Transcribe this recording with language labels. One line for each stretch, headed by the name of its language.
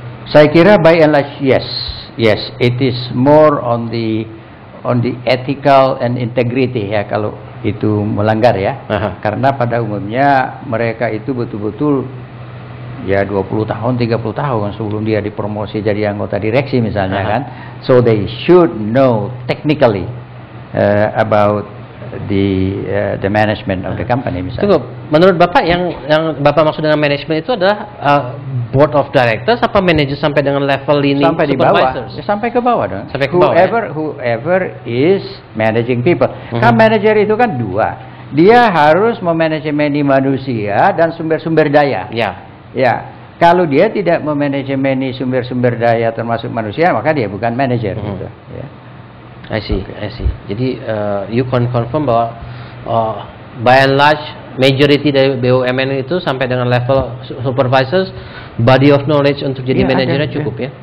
Indonesian: Saya kira
English: by and large yes it is more on the ethical and integrity ya,
Indonesian: kalau itu melanggar ya. Karena pada umumnya mereka itu betul-betul ya 20 tahun 30 tahun sebelum dia dipromosi jadi anggota direksi misalnya.
English: Kan, so they should know technically about the management of the company misalnya.
Indonesian: Tunggu, menurut Bapak yang Bapak maksud dengan management itu adalah
English: board of directors
Indonesian: apa manager sampai dengan level ini sampai di bawah ya, sampai ke bawah dong. Sampai ke bawah.
English: Whoever is managing people.
Indonesian: Kan manager itu kan dua. Dia harus memanajemeni manusia dan sumber-sumber daya. Ya. Kalau dia tidak memanajemeni sumber-sumber daya termasuk manusia, maka dia bukan manager gitu. Ya.
English: I see.
Indonesian: Jadi
English: you can confirm
Indonesian: bahwa
English: by and large majority
Indonesian: dari BUMN itu sampai dengan level supervisors, body of knowledge untuk jadi manajernya cukup ya?